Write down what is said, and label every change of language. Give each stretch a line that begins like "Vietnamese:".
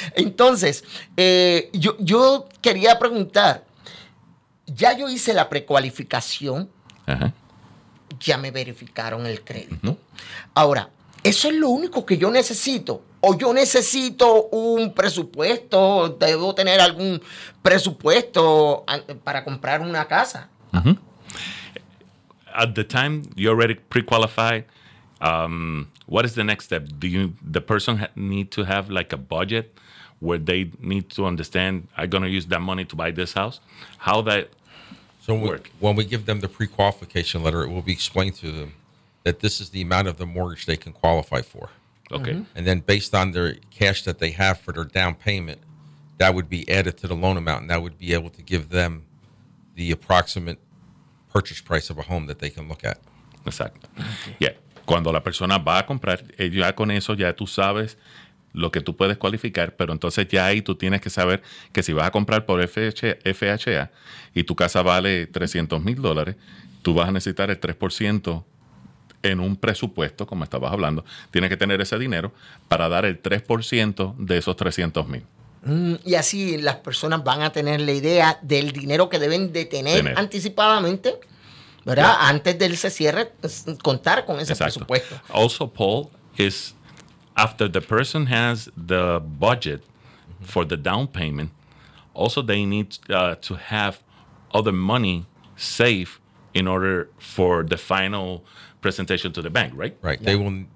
Spanish: Entonces, yo quería preguntar, ya yo hice la precualificación, ya me verificaron el crédito. Uh-huh. Ahora, ¿eso es lo único que yo necesito? ¿O yo necesito un presupuesto? ¿Debo tener algún presupuesto para comprar una casa? Uh-huh.
English: At the time you're already pre-qualified, what is the next step? Do you, the person need to have like a budget where they need to understand, I'm going to use that money to buy this house? How that so work? When we give them the pre-qualification letter, it will be explained to them that this is the amount of the mortgage they can qualify for. Okay. Mm-hmm. And then based on their cash that they have for their down payment, that would be added to the loan amount, and that would be able to give them the approximate purchase price of a home that they can look at.
Spanish: Exacto.
English: Okay. Yeah.
Spanish: Cuando la persona va a comprar, ya con eso ya tú sabes lo que tú puedes cualificar, pero entonces ya ahí tú tienes que saber que si vas a comprar por FHA y tu casa vale $300,000, tú vas a necesitar el 3% en un presupuesto, como estabas hablando. Tienes que tener ese dinero para dar el 3% de esos $300,000. Y así las personas van a tener la idea del dinero que deben de tener anticipadamente, ¿verdad? Yeah. Antes de ese cierre, contar con ese presupuesto.
English: Also, Paul, is after the person has the budget for the down payment, also they need to have other money safe in order for the final presentation to the bank, right? Right. Yeah.